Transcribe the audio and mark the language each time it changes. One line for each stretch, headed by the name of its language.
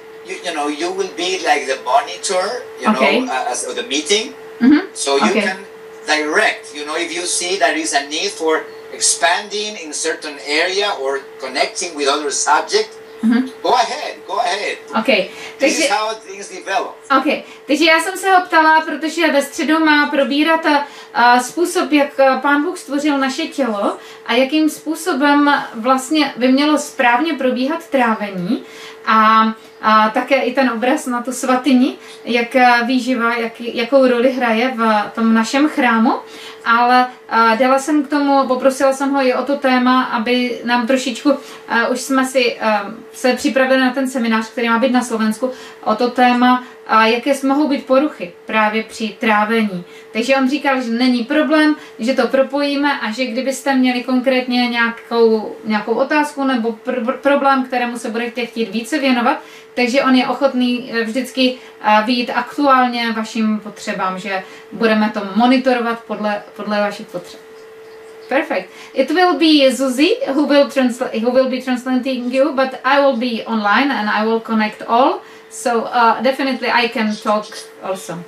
English: You know, you will be like the monitor, as the meeting. Mm-hmm. So you can direct, you know, if you see there is a need for expanding in a certain area or connecting with other subject, mm-hmm. go ahead. Okay. This is how things develop. Okay.
Czech: Takže já jsem se ho ptala, protože ve středu má probírat způsob, jak Pán Bůh stvořil naše tělo a jakým způsobem vlastně by mělo správně probíhat trávení. A také i ten obraz na tu svatyni, jak výživa, jakou roli hraje v tom našem chrámu. Ale dala jsem k tomu, poprosila jsem ho i o to téma, aby nám trošičku, už jsme si se připravili na ten seminář, který má být na Slovensku, o to téma, jaké mohou být poruchy právě při trávení. Takže on říkal, že není problém, že to propojíme a že kdybyste měli konkrétně nějakou otázku nebo problém, kterému se budete chtít více věnovat, takže on je ochotný vždycky vyjít aktuálně vašim potřebám, že budeme to monitorovat podle vašich potřeb.
English: Perfect. It will be Zuzi who will be translating you, but I will be online and I will connect all. So definitely I can talk also.